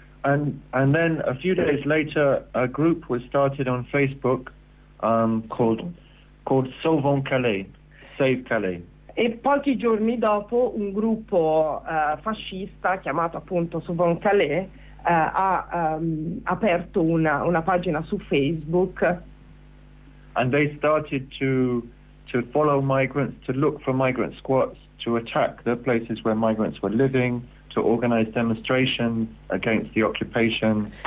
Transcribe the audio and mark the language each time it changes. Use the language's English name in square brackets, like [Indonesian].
[English] And then a few days later a group was started on Facebook called Sauvons Calais. Save Calais. [Italian] E pochi giorni dopo un gruppo fascista chiamato appunto Sauvons Calais ha aperto una pagina su Facebook. [English] And they started to follow migrants, to look for migrant squats, to attack the places where migrants were living, to organize demonstrations against the occupation.